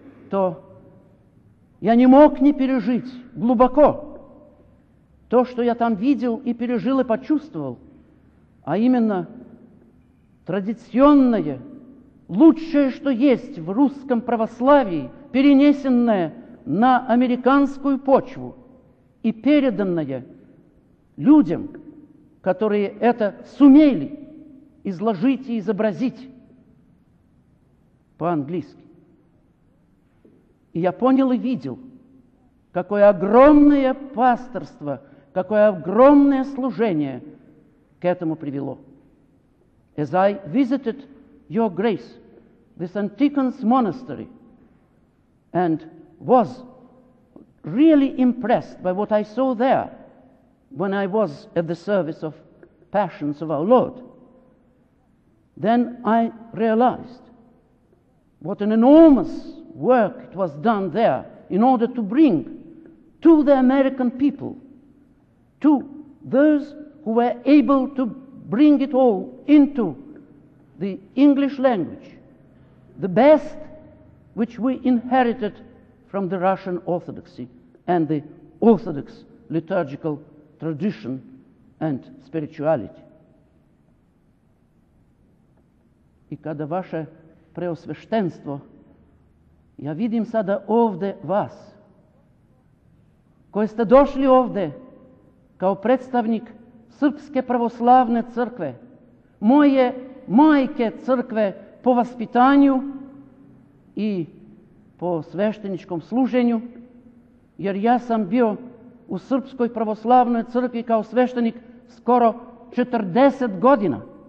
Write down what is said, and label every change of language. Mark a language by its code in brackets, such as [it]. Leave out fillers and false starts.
[ru] то я не мог не пережить глубоко то, что я там видел и пережил и почувствовал, а именно традиционное, лучшее, что есть в русском православии, перенесенное на американскую почву и переданное людям, которые это сумели изложить и изобразить по-английски. И я понял и видел, какое огромное пастырство, какое огромное служение к этому привело. [en] As I visited Your Grace, the St. Deacon's Monastery, and was really impressed by what I saw there when I was at the service of Passions of Our Lord, then I realized what an enormous work it was done there in order to bring to the American people, to those who were able to bring it all into the English language, the best which we inherited from the Russian Orthodoxy and the Orthodox liturgical tradition and spirituality. [ru] И когда ваше преосвященство, [sr] я видим сада овде вас, кои сте дошли овде као представник Српске православне цркве, моје мајке цркве по воспитању и по свештеничком служењу, јер ја сам био у Српској православној цркви као свештеник скоро 40 година.